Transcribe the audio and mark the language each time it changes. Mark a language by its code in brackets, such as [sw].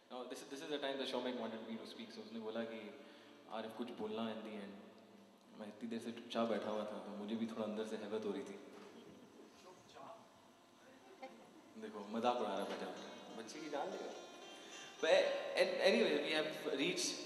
[en] this is the time that Shomek wanted me to speak. [hi] So उसने बोला कि आरिफ कुछ बोलना [en] in the end. [hi] मैं इतनी देर से चुपचाप बैठा हुआ था तो मुझे भी थोड़ा अंदर से हैबत हो रही थी. देखो मजाक उड़ा रहा बच्चा. बच्चे की जान ले. [en] But anyway, we have reached.